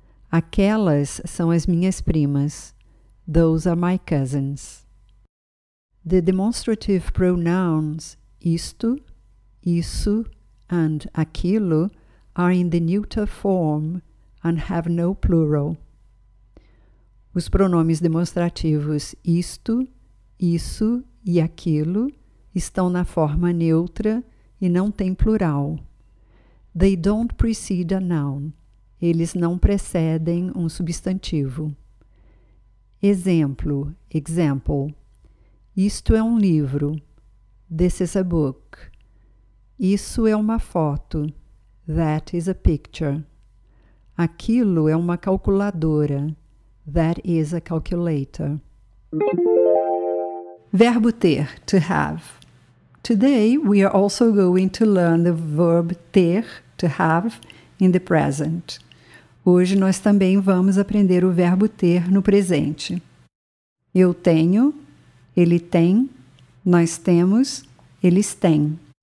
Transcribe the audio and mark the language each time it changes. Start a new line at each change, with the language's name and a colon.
Portuguese: Aquelas são as minhas primas.
English: Those are my cousins. The demonstrative pronouns isto, isso, and aquilo are in the neuter form and have no plural.
Portuguese: Os pronomes demonstrativos isto, isso e aquilo estão na forma neutra e não têm plural.
English: They don't precede a noun.
Portuguese: Eles não precedem um substantivo. Exemplo, example. Isto é um livro.
English: This is a book.
Portuguese: Isso é uma foto.
English: That is a picture.
Portuguese: Aquilo é uma calculadora.
English: That is a calculator.
Portuguese: Verbo ter, to have.
English: Today, we are also going to learn the verb ter, to have, in the present.
Portuguese: Hoje, nós também vamos aprender o verbo ter no presente. Eu tenho, ele tem, nós temos, eles têm.